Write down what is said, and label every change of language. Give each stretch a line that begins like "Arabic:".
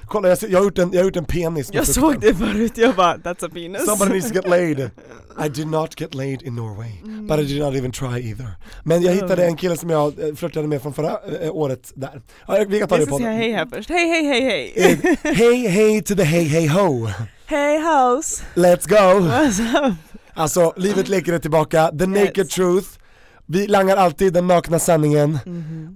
Swedish: Kolla, jag har gjort en penis. Jag såg det förut, jag bara,
English: that's a penis. Somebody needs to get laid. I did not get laid in Norway, but I did not even try either.
Swedish: Men jag hittade en kille som jag flörtade med från förra året där. Vi kan ta det på. Hej, hej, hej först. Hej, hej, hej, hej. Hej, hej
English: to the
Swedish: hej, hej, ho. Hej, house.
English: Let's go. What's up?
Swedish: Alltså, livet leker tillbaka.
English: The naked truth.
Swedish: Vi langar alltid den nakna sanningen. Mm-hmm.